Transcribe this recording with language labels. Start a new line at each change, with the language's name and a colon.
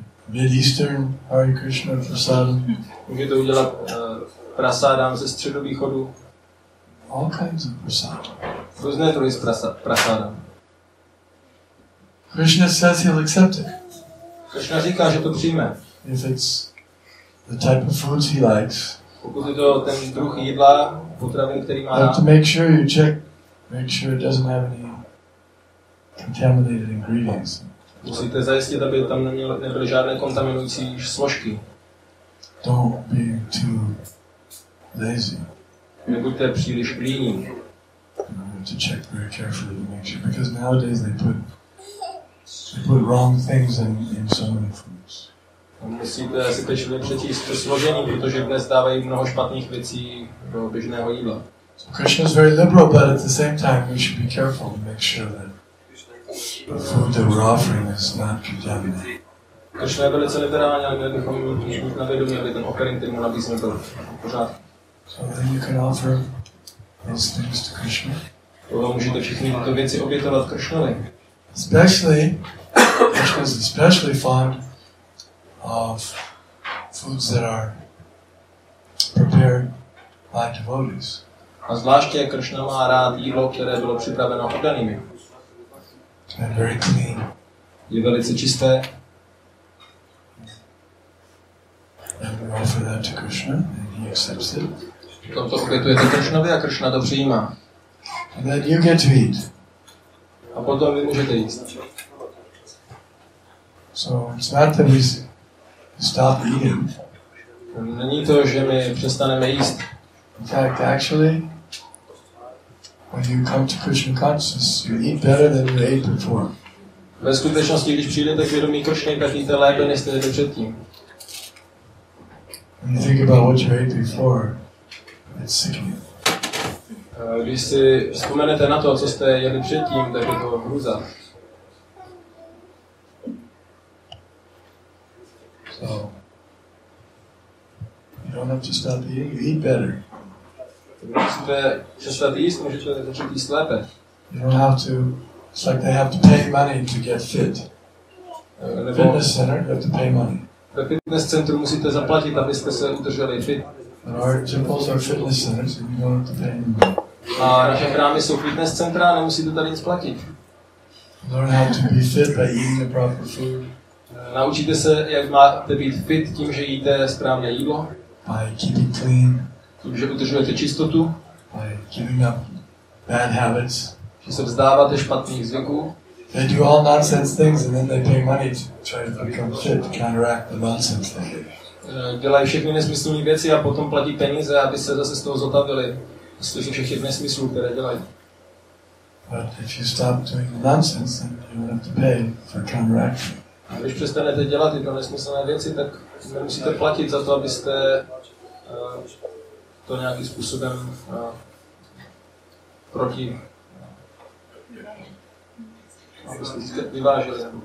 English: Mid-Eastern Hare Krishna prasadam.
Czech: Můžete udělat prasadam ze středovýchodu.
English: All kinds of prasadam.
Czech: Různé druhy z prasadam.
English: Krishna says he'll accept it.
Czech: Krishna říká, že to přijme.
English: If it's the type of foods he likes.
Czech: Pokud je to ten druh jídla, potravin, který má.
English: But to make sure you check, make sure it doesn't have any contaminated ingredients.
Czech: Musíte zajistit, aby tam nebyly žádné kontaminující složky.
English: Don't be too lazy.
Czech: Nebuďte příliš líní.
English: You have to check very carefully to make sure, because nowadays they put wrong things in so many foods.
Czech: Musíte si pečlivě přečíst to složení, protože dnes dávají mnoho špatných věcí do běžného jídla.
English: So Krishna is very liberal, but at the same time we should be careful to make sure that the food that we're offering is not contaminated.
Czech: Krishna je velice liberální, ale měli bychom mít na vědomí, aby ten offering, který mu nabízíme, byl pořád.
English: So then you can offer those things to Krishna.
Czech: Potom můžete všechny tyto věci obětovat Krishnovi.
English: Especially, Krishna is especially fond of foods that are prepared by devotees.
Czech: A zvláště Krishna má rád jídlo, které bylo připraveno oddanými.
English: And very clean.
Czech: Je velice čisté.
English: And we offer that to Krishna, and he accepts it.
Czech: Potom to obětujete Krishnovi a Krishna to přijímá.
English: And then you get to eat.
Czech: A potom vy můžete jíst.
English: So it's not that we stop eating.
Czech: Není to, že my přestaneme jíst.
English: In fact, actually, when you come to Krishna consciousness, you eat better than you ate before.
Czech: Ve skutečnosti, když přijdete k vědomí Krishny, tak jíte lépe, než jste jeli předtím.
English: When you think about what you ate before, it's sickening.
Czech: Když si vzpomenete na to, co jste jeli předtím, tak je to hrůza.
English: So, you don't have to stop eating, you eat better.
Czech: Musíte přestat jíst, můžete začít jíst lépe.
English: You don't have to, it's like they have to pay money to get fit. Fitness center, you have to pay money.
Czech: Ve fitness centru musíte zaplatit, abyste se udrželi fit.
English: But our temples are fitness centers, and you don't have to pay any money.
Czech: A naše chrámy jsou fitness centra, nemusíte tady nic platit.
English: Learn how to be fit by eating the proper food.
Czech: Naučíte se, jak máte být fit tím, že jíte správně jídlo.
English: By keeping clean.
Czech: Že udržujete čistotu.
English: By giving up bad habits.
Czech: Že se vzdáváte špatných zvyků.
English: They do all nonsense things and then they pay money to try to become fit, to counteract the nonsense thing.
Czech: Dělají všechny nesmyslné věci a potom platí peníze, aby se zase z toho zotavili. Slyši všech těch nesmyslů, které dělají.
English: But if you stop doing the nonsense, then you don't have to pay for counteracting.
Czech: A když přestanete dělat tyto nesmyslné věci, tak nemusíte platit za to, abyste to nějakým způsobem proti vyváželi.